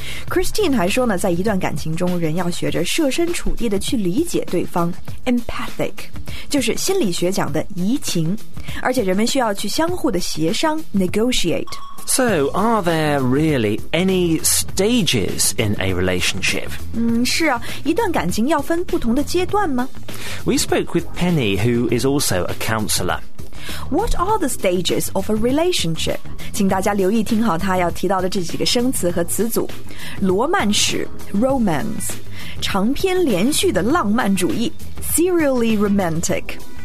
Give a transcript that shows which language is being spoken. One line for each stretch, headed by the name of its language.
Chinese: Christine 还说呢，在一段感情中，人要学着设身处地的去理解对方 ，empathic， 就是心理学讲的移情，而且人们需要去相互的协商 ，negotiate。
English: So, are there really any stages in a relationship?
Chinese: 是啊，一段感情要分不同的阶段吗
English: ？We spoke with Penny, who is also a counselor.
Chinese: What are the stages of a relationship? 请大家留意听好他要提到的这几个生词和词组：罗曼史 （romance）、长篇连续的浪漫主义 （serially romantic）。